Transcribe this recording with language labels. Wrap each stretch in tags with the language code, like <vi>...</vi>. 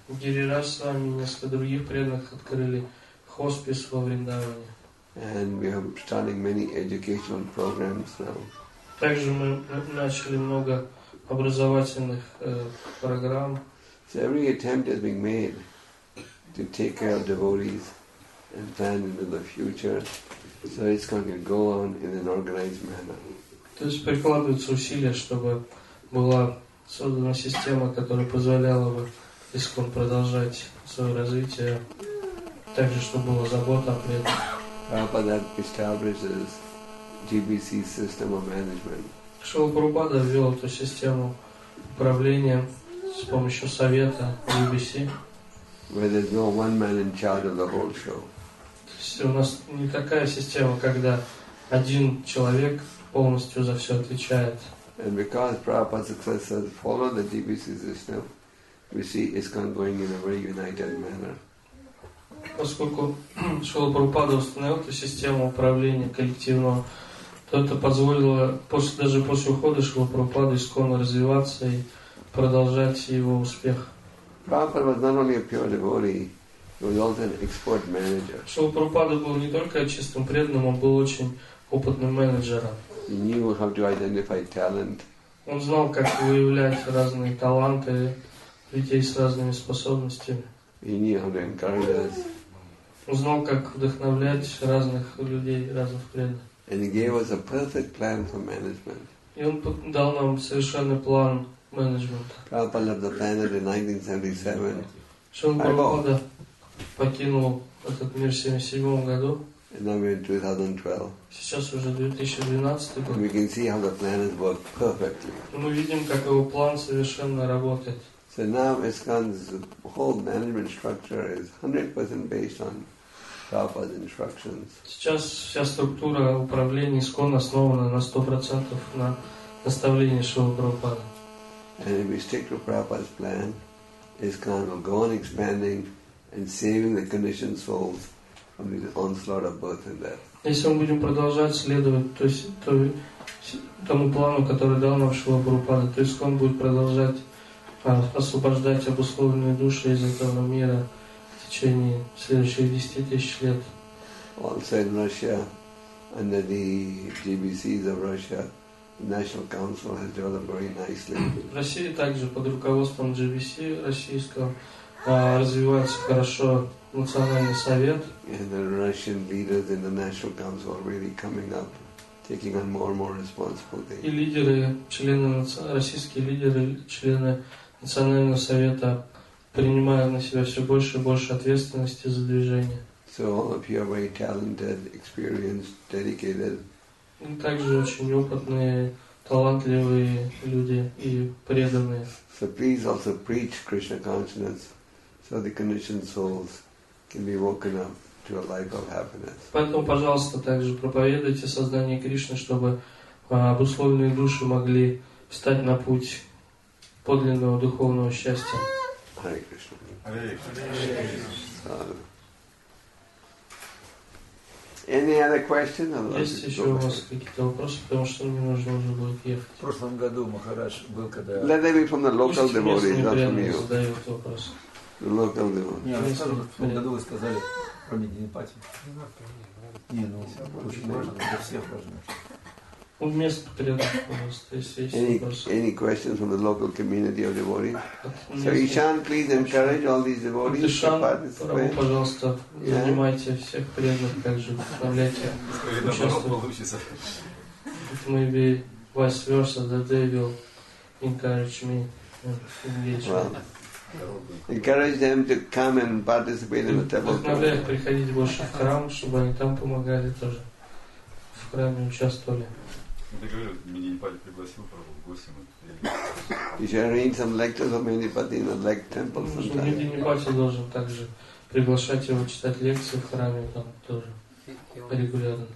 <ru>Girirad Swami и несколько других преданных открыли хоспис во Вриндаване.</ru> <en>And we are starting many educational programs now.</en> <ru>Также мы начали много образовательных программ.</ru> <en>So every attempt is being made to take care of devotees and plan into the future. So it's going to go on in an organized manner.</en> <ru>То есть прикладываются усилия, чтобы была создана система, которая позволяла бы ИСКОН продолжать свое развитие. Также, чтобы была забота о преданных.</ru> <en>Prabhupada establishes GBC system of management.</en> <ru>Шрила Прабхупада ввел эту систему управления с помощью совета GBC.</ru> <en>Where there's no one man in charge of the whole show.</en> <ru>То есть у нас не такая система, когда один человек полностью за все отвечает.</ru> <en>And because Prabhupada's success has followed the devotee system, we see ISKCON going in a very united manner.</en> <ru>Поскольку Шрила Прабхупада установил эту систему управления коллективного, то это позволило после, даже после ухода Шрила Прабхупады ISKCON развиваться и продолжать его успех.</ru> <en>Prabhupada was not only a pure devotee, he was also an expert manager.</en> <ru>Шрила Прабхупада был не только чистым преданным, он был очень опытным менеджером.</ru> <en>He knew how to identify talent.</en> <ru>Он знал, как выявлять разные таланты людей с разными способностями.</ru> <en>He knew how to encourage us.</en> <ru>Он знал, как вдохновлять разных людей, разных преданных.</ru> <en>And he gave us a perfect plan for management.</en> <ru>И он дал нам совершенный план менеджмента.</ru> <en>Prabhupada left the planet in 1977.</en> <ru>Шрила Прабхупада покинул этот мир в 77 году.</ru> <en>And now we're in 2012.</en> <ru>Сейчас уже 2012 год.</ru> <en>And we can see how the planet worked perfectly.</en> <ru>Мы видим, как его план совершенно работает.</ru> <en>So now ISKCON's whole management structure is 100% based on Prabhupada's instructions.</en> <ru>Сейчас вся структура управления ISKCON основана на 100% на наставлении Шрилы Прабхупады.</ru> <en>And if we stick to Prabhupada's plan, ISKCON will go on expanding and saving the conditioned souls from the onslaught of birth and death.</en> <ru>Если мы будем продолжать следовать тому плану, который дал нам Шрила Прабхупада, то ISKCON будет продолжать освобождать обусловленные души из этого мира в течение следующих 10 000 лет.</ru> <en>Also in Russia, under the GBCs of Russia, the National Council has developed very nicely.</en> <ru>В России также под руководством GBC российского развивается хорошо Национальный совет.</ru> <en>And the Russian leaders in the National Council are really coming up, taking on more and more responsibility.</en> <ru>И лидеры, члены российские лидеры, члены Национального совета принимают на себя все больше и больше ответственности за движение.</ru> <en>So all of you are very talented, experienced, dedicated.</en> <ru>И также очень опытные, талантливые люди и преданные.</ru> <en>So please also preach Krishna consciousness, so the conditioned souls can be woken up to a life of happiness.</en> <ru>Поэтому, пожалуйста, также проповедуйте сознание Кришны, чтобы обусловленные души могли встать на путь подлинного духовного счастья.</ru> <sa>Hare Krishna. Hare Krishna.</sa> <en>Any other questions?</en> <ru>Есть еще у вас какие-то вопросы, потому что мне нужно уже будет ехать. В прошлом году Махарадж был, когда...</ru> <en>Let them be from the local devotees, not from you. The local devotees.</en> <ru>Нет, в прошлом году вы сказали про Мединипати. Не, ну, очень важно, для всех важно.</ru> <en>Any questions from the local community of devotees? So Ishan, please encourage all these devotees to participate.</en> <ru>Пожалуйста, занимайте всех преданных, также вставляйте, участвуйте.</ru> <en>Maybe vice versa, the devil encourage me engage. Encourage them to come and participate in the temple.</en> <ru>Вдохновляйте приходить больше в храм, чтобы они там помогали тоже в храме участвовали.</ru> <en>You should arrange some lectures for Medinipati in a lake temple sometime.</en> <ru>Medinipati должен также приглашать его читать лекции в храме там тоже регулярно.</ru>